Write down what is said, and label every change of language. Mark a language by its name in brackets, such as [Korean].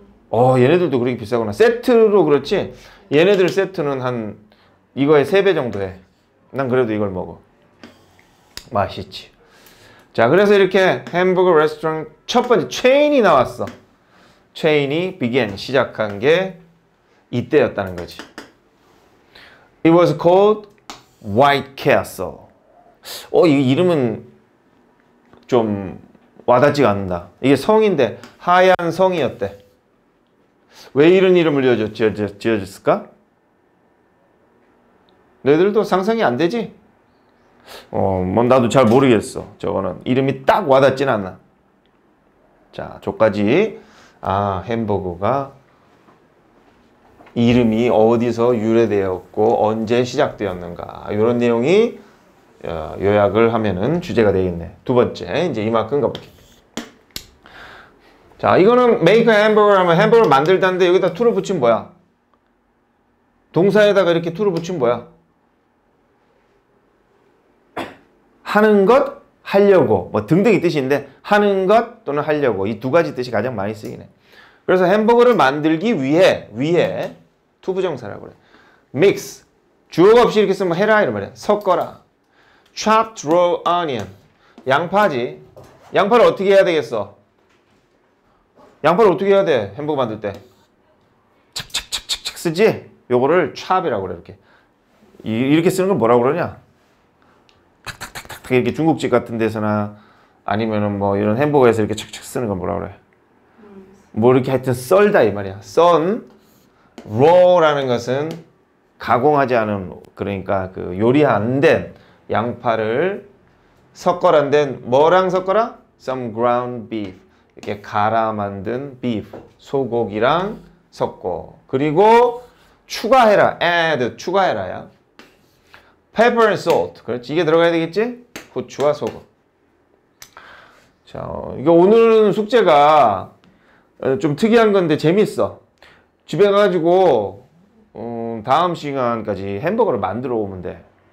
[Korean] 어, 얘네들도 그렇게 비싸구나. 세트로 그렇지? 얘네들 세트는 한 이거의 3배 정도 해. 난 그래도 이걸 먹어. 맛있지. 자, 그래서 이렇게 햄버거 레스토랑 첫 번째 체인이 나왔어. 체인이 begin, 시작한 게 이때였다는 거지. [English] It was called White Castle. [Korean] 어, 이 이름은 좀 와닿지가 않는다. 이게 성인데 하얀 성이었대. 왜 이런 이름을 지어줬을까? 너희들도 상상이 안 되지? 어, 뭐 나도 잘 모르겠어. 저거는 이름이 딱 와닿진 않아. 자, 저까지. 아, 햄버거가 이름이 어디서 유래되었고 언제 시작되었는가, 이런 내용이 요약을 하면은 주제가 되겠네. 두 번째, 이제 이만큼 가볼게. 자, 이거는 [English] make a hamburger [Korean] 하면 햄버거를 만들다는데 여기다 to를 붙이면 뭐야? 동사에다가 이렇게 to를 붙이면 뭐야? 하는 것, 하려고, 뭐 등등이 뜻인데 하는 것 또는 하려고, 이 두 가지 뜻이 가장 많이 쓰이네. 그래서 햄버거를 만들기 위해, 위에 to 부정사라고 그래. mix, 주어가 없이 이렇게 쓰면 해라 이런 말이야. 섞어라. [English] chopped raw onion, [Korean] 양파지. 양파를 어떻게 해야 되겠어? 양파를 어떻게 해야 돼? 햄버거 만들 때 착착착착착 쓰지? 요거를 chop이라고 그래. 이렇게 이렇게 쓰는 걸 뭐라고 그러냐? 탁탁탁탁탁 이렇게 중국집 같은 데서나 아니면은 뭐 이런 햄버거에서 이렇게 착착 쓰는 걸 뭐라고 그래? 뭐 이렇게 하여튼 썰다 이 말이야. 썬 raw라는 것은 가공하지 않은, 그러니까 그 요리 안 된 양파를 섞어라. 된 뭐랑 섞어라? [English] some ground beef, [Korean] 이렇게 갈아 만든 beef, 소고기랑 섞고. 그리고 추가해라, add, 추가해라. 야, [English] pepper and salt, [Korean] 그렇지? 이게 들어가야 되겠지? 후추와 소금. 자, 이거 오늘은 숙제가 좀 특이한 건데 재밌어. 집에 가가지고 다음 시간까지 햄버거를 만들어 오면 돼.